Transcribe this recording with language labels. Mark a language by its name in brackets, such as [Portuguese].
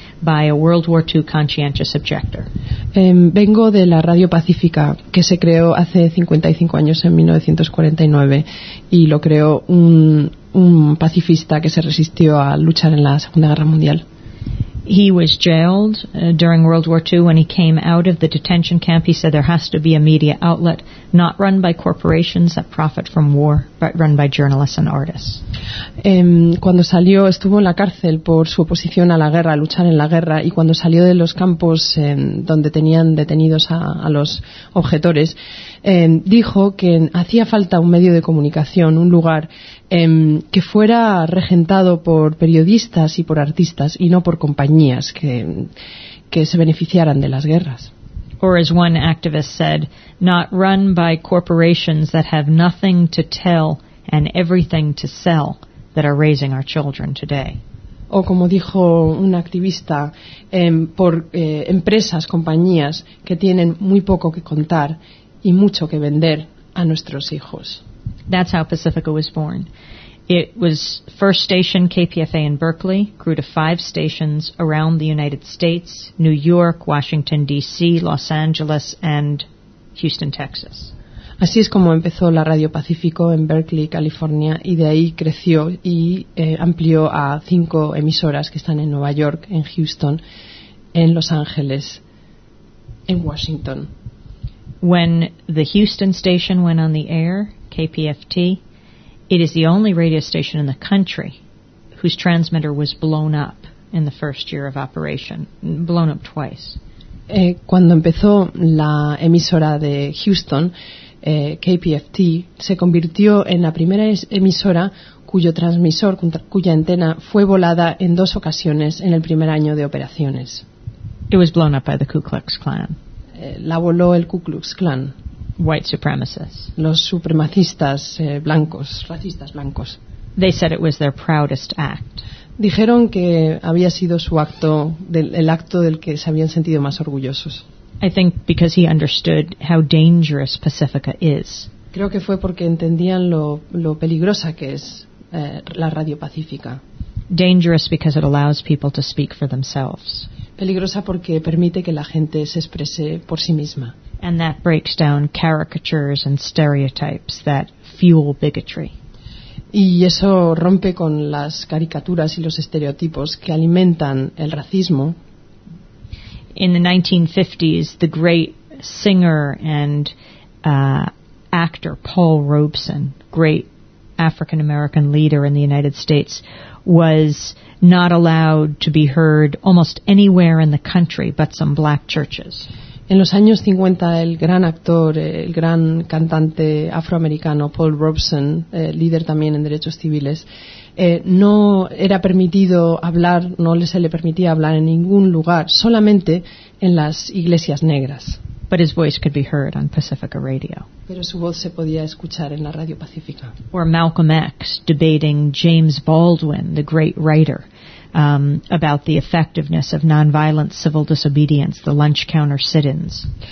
[English] By a World War II conscientious objector. [Spanish] Vengo de la Radio Pacífica, que se creó hace 55 años, en 1949, y lo creó un pacifista que se resistió a luchar en la Segunda Guerra Mundial. [English] He was jailed during World War II. When he came out of the detention camp, he said there has to be a media outlet not run by corporations that profit from war, but run by journalists and artists. [Spanish] Cuando salió, estuvo en la cárcel por su oposición a la guerra, a luchar en la guerra, y cuando salió de los campos donde tenían detenidos a los objetores, dijo que hacía falta un medio de comunicación, un lugar que fuera regentado por periodistas y por artistas y no por compañías que se beneficiaran de las guerras. [English] Or as one activist said, not run by corporations that have nothing to tell and everything to sell that are raising our children today. [Spanish] O como dijo un activista, por empresas, compañías que tienen muy poco que contar y mucho que vender a nuestros hijos. [English] That's how Pacifica was born. It was first station KPFA in Berkeley, grew to five stations around the United States, New York, Washington, D.C., Los Angeles, and Houston, Texas. [Spanish] Así es como empezó la Radio Pacífico en Berkeley, California, y de ahí creció y amplió a cinco emisoras que están en Nueva York, en Houston, en Los Ángeles, en Washington. [English] When the Houston station went on the air, KPFT, it is the only radio station in the country whose transmitter was blown up in the first year of operation, blown up twice. [Spanish] Cuando empezó la emisora de Houston, KPFT, se convirtió en la primera emisora cuya antena fue volada en dos ocasiones en el primer año de operaciones. [English] It was blown up by the Ku Klux Klan. [Spanish] La voló el Ku Klux Klan. [English] white supremacists. [Spanish] Los supremacistas blancos, racistas blancos. [English] They said it was their proudest act. [Spanish] Dijeron que había sido su acto, el acto del que se habían sentido más orgullosos. [English] I think because he understood how dangerous Pacifica is. [Spanish] Creo que fue porque entendían lo peligrosa que es la radio pacífica. [English] Dangerous because it allows people to speak for themselves. [Spanish] Peligrosa porque permite que la gente se exprese por sí misma. [English] And that breaks down caricatures and stereotypes that fuel bigotry. [Spanish] Y eso rompe con las caricaturas y los estereotipos que alimentan el racismo. [English] In the 1950s, the great singer and actor Paul Robeson, great African-American leader in the United States, was not allowed to be heard almost anywhere in the country but some black churches. [Spanish] En los años 50, el gran actor, el gran cantante afroamericano Paul Robeson, líder también en derechos civiles, no era permitido hablar, no se le permitía hablar en ningún lugar, solamente en las iglesias negras. [English] But his voice could be heard on Pacifica Radio. [Spanish] Pero su voz se podía escuchar en la radio pacífica. [English] Or Malcolm X debating James Baldwin, the great writer, about the effectiveness of nonviolent civil disobedience, the lunch counter sit-ins.